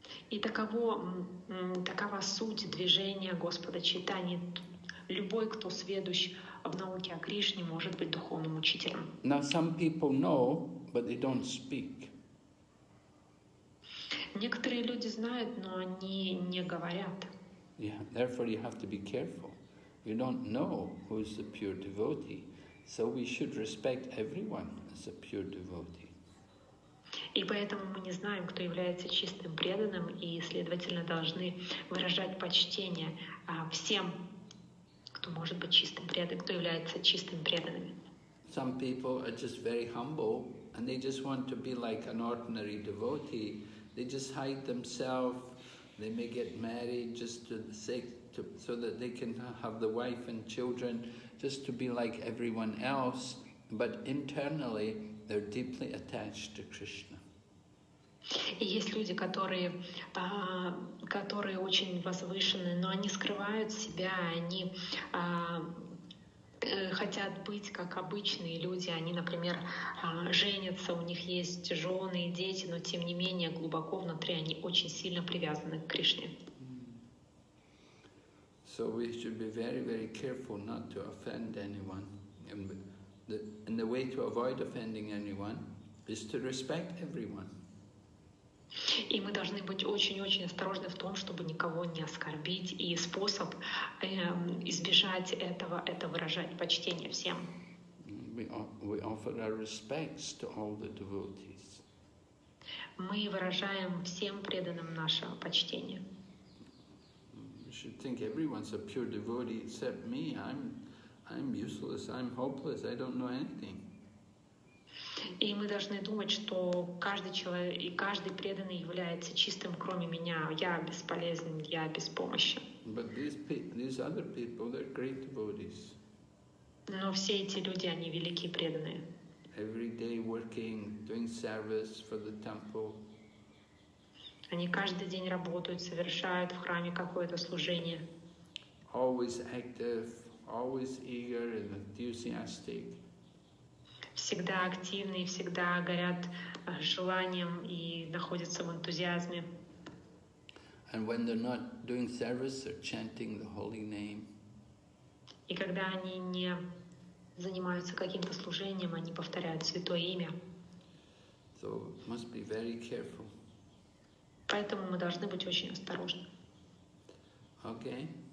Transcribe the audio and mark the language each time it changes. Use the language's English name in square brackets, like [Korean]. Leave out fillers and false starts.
[Russian] И такова суть движения Господа Чайтаньи. Любой, кто сведущ в науке о Кришне, может быть духовным учителем. [English] Now some people know, but they don't speak. [Russian] Некоторые люди знают, но они не говорят. [English] Yeah, therefore you have to be careful. You don't know who is the pure devotee. So we should respect everyone as a pure devotee. [Russian] И поэтому мы не знаем, кто является чистым преданным, и, следовательно, должны выражать почтение всем, кто может быть чистым преданным, кто является чистым преданным. [English] Some people are just very humble, and they just want to be like an ordinary devotee. They just hide themselves. They may get married just to the sake, so that they can have the wife and children, just to be like everyone else. But internally, they're deeply attached to Krishna. [Russian] И есть люди, которые очень возвышены, но они скрывают себя. Они хотят быть как обычные люди, они, например, женятся, у них есть жены и дети, но тем не менее глубоко внутри они очень сильно привязаны к Кришне. [English] So we should be very, very careful not to offend anyone. And the way to avoid offending anyone is to respect everyone. [Russian] И мы должны быть очень-очень осторожны в том, чтобы никого не оскорбить, и способ избежать этого — это выражать почтение всем. [English] We offer our respects to all the devotees. [Russian] Мы выражаем всем преданным наше почтение. [English] You should think everyone's a pure devotee except me. I'm useless, I'm hopeless, I don't know anything. [Russian] И мы должны думать, что каждый человек и каждый преданный является чистым, кроме меня. Я бесполезен, я без помощи. [English] But these other people, they're great devotees. [Russian] Но все эти люди, они великие преданные. [English] Every day working, doing service for the temple. [Russian] Они каждый день работают, совершают в храме какое-то служение. [English] Always active, always eager and enthusiastic. [Russian] Всегда активны и всегда горят желанием и находятся в энтузиазме. [English] And when they're not doing service, they're chanting the holy name. [Russian] И когда они не занимаются каким-то служением, они повторяют святое имя. [English] So must be very careful. [Russian] Поэтому мы должны быть очень осторожны. [English] Okay.